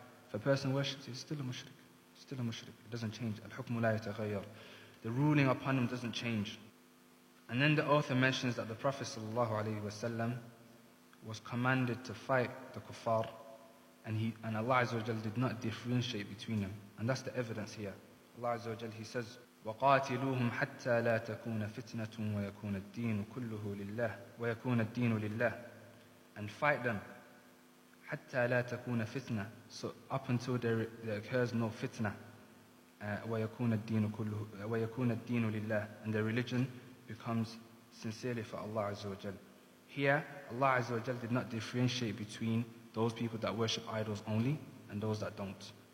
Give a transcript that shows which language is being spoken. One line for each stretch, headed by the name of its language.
English: If a person worships, he's still a mushrik. Still a mushrik. It doesn't change.
Arabic: Al-hukmu la yataghayyar.
English: The ruling upon him doesn't change. And then the author mentions that the Prophet sallallahu alayhi wasallam was commanded to fight the kuffar, and Allah Azza wa Jalla did not differentiate between them. And that's the evidence here. Allah Azza wa Jalla, he says,
Arabic: وَقَاتِلُوهُمْ حَتَّى لَا تَكُونَ فِتْنَةٌ وَيَكُونَ الدِّينُ كُلُّهُ لِلَّهِ وَيَكُونَ الدِّينُ لِلَّهِ.
English: And fight them.
Arabic: حَتَّى لَا تَكُونَ فِتْنَةٌ.
English: So up until there occurs no fitna.
Arabic: وَيَكُونَ الدِّينُ لِلَّهِ.
English: And the religion becomes sincerely for Allah Azza wa Jalla. Here, Allah Azza wa Jal did not differentiate between those people that worship idols only and those that don't.